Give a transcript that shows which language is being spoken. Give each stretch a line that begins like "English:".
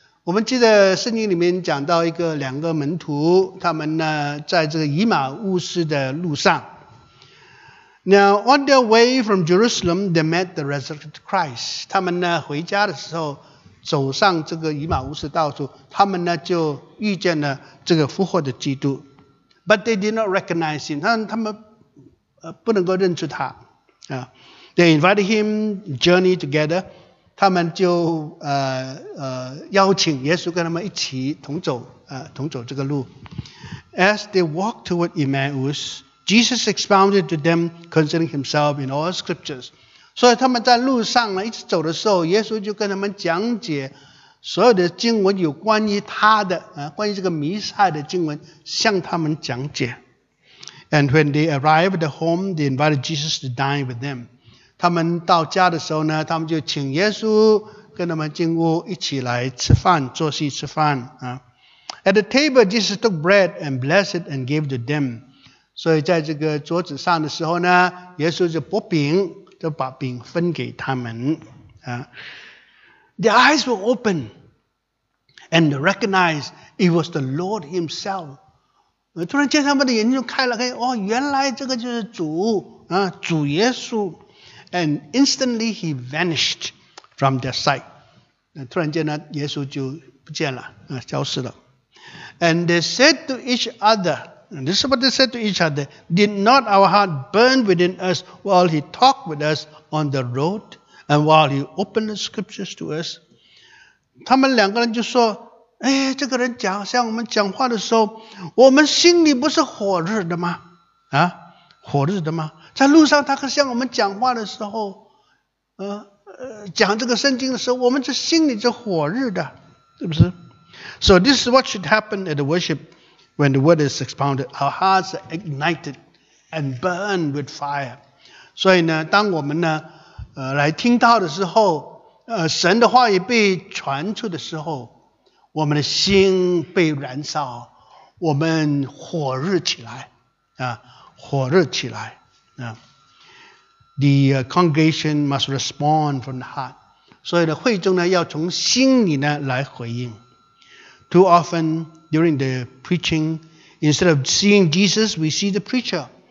Chinese: 我们记得圣经里面讲到一个两个门徒，他们呢在这个以马忤斯的路上。
English: Now, on their way from Jerusalem, they met the resurrected Christ.
Chinese: 他们呢回家的时候，走上这个以马忤斯道路，他们呢就遇见了这个复活的基督。
English: But they did not recognize him.
Chinese: 他们不能够认出他。
English: They invited him journey together.
Chinese: 他们就邀请耶稣跟他们一起同走这个路。
English: As they walked toward Emmaus. Jesus expounded to them concerning himself in all scriptures.
Chinese: 所以他们在路上呢，一直走的时候，耶稣就跟他们讲解所有的经文有关于他的啊，关于这个弥赛的经文向他们讲解。
English: And when they arrived at home, they invited Jesus to dine with them.
Chinese: 他们到家的时候呢，他们就请耶稣跟他们进屋一起来吃饭，坐席吃饭啊。
English: At the table, Jesus took bread and blessed and gave to them.
Chinese: 所以在这个桌子上的时候呢, 耶稣就薄饼, 就把饼分给他们,
English: Their eyes were open and recognized it was the Lord Himself.
Chinese: 突然间他们的眼睛就开了, 哦, 原来这个就是主, 啊, 主耶稣,
English: and instantly He vanished from their sight.
Chinese: 突然间呢, 耶稣就不见了, 啊, 消失了。
English: And they said to each other, and this is what they said to each other, did not our heart burn within us while he talked with us on the road and while he opened the scriptures to us?
Chinese: 他们两个人就说, 哎, 这个人讲, 像我们讲话的时候, 我们心里不是火热的吗? 啊, 火热的吗?在路上他像我们讲话的时候, 讲这个圣经的时候, 我们这心里是火热的, 是不是?
English: So this is what should happen at the worship when the word is expounded. Our hearts are ignited and burned with fire.
Chinese: 所以呢, 当我们呢, 来听到的时候, 神的话语被传出的时候, 我们的心被燃烧, 我们火热起来, 啊, 火热起来, 啊。
English: The congregation must respond from the heart.
Chinese: 所以呢, 会众呢, 要从心里呢, 来回应。
English: Too often during the preaching, instead of seeing Jesus, we see the preacher.